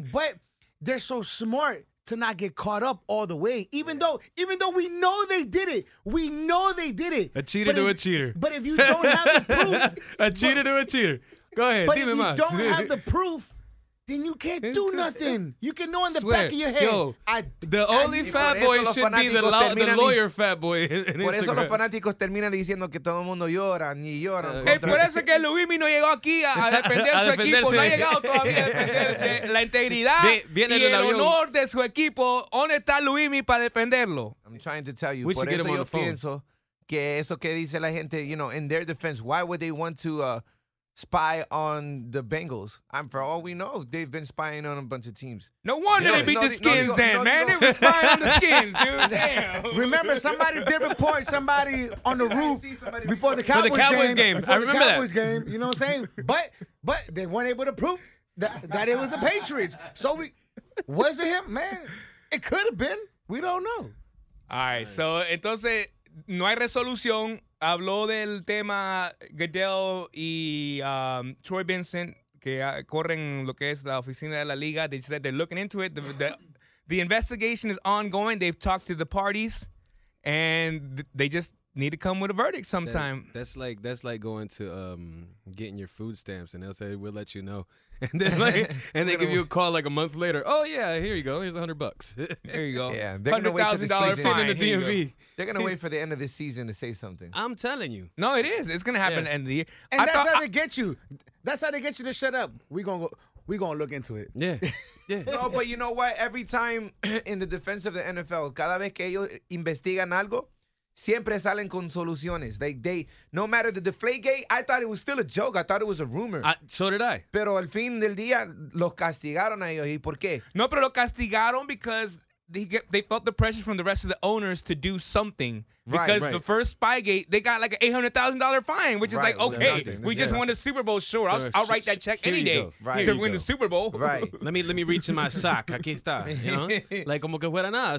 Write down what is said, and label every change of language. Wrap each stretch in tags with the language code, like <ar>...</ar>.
<en>But they're so smart to not get caught up all the way, even though we know they did it. We know they did it. A cheater to a cheater. But if you don't have the proof. A cheater to a cheater. Go ahead. But if you don't have the proof, then you can't do nothing. You can know in the swear. Back of your head. Yo, the only fat boy should be the lawyer fat boy.</en> <es>Por eso los fanáticos terminan diciendo que todo el mundo llora y llora. Por eso que Luismi no llegó aquí a defender su equipo. No ha llegado todavía a defender la integridad y el honor de su equipo. ¿Dónde está Luismi para defenderlo?</es> <en>I'm trying to tell you.</en> <es>Por eso yo pienso que eso que dice la gente,</es> <en>you know, in their defense, why would they want to... spy on the Bengals. And for all we know, they've been spying on a bunch of teams. No wonder they beat the Skins they were spying on the Skins, dude. Damn. Remember, somebody did report somebody on the roof before the Cowboys, for the Cowboys game. Before I remember the Cowboys that. Game, you know what I'm saying? But they weren't able to prove that it was the Patriots. So was it him? Man, it could have been. We don't know. All right. So,</en> <es>entonces, no hay resolución. Habló del tema Goodell y Troy Vincent, que corren lo que es la oficina de la liga.</es> <en>They said they're looking into it. The investigation is ongoing. They've talked to the parties, and they just need to come with a verdict sometime. That's like going to getting your food stamps, and they'll say, we'll let you know. And then and they give you a call like a month later. Oh, yeah, here you go. Here's $100. Here you go. Yeah, $100,000 sitting in the DMV. They're going to wait for the end of this season to say something. I'm telling you. No, it is. It's going to happen at the end of the year. And that's how they get you. That's how they get you to shut up. We're going to go. We're going to look into it. Yeah. Yeah. No, but you know what? Every time in the defense of the NFL,</en> <es>cada vez que ellos investigan algo, siempre salen con soluciones.</es> <en>Like they, no matter the Deflategate, I thought it was still a joke. I thought it was a rumor. So did I.</en> <es>Pero al fin del día, los castigaron a ellos. ¿Y por qué?</es> <en>No,</en> <es>pero los castigaron</es> <en>because they felt the pressure from the rest of the owners to do something. Because right, right. The first Spygate, they got like an $800,000 fine, which is right. Like, okay, we just won the Super Bowl. Sure, I'll write that check any day right. To win the Super Bowl. Right. Let me reach in my sock.</en> <es>Aquí está.</es> <en>You know? Like,</en> <es>como que fuera nada.</es>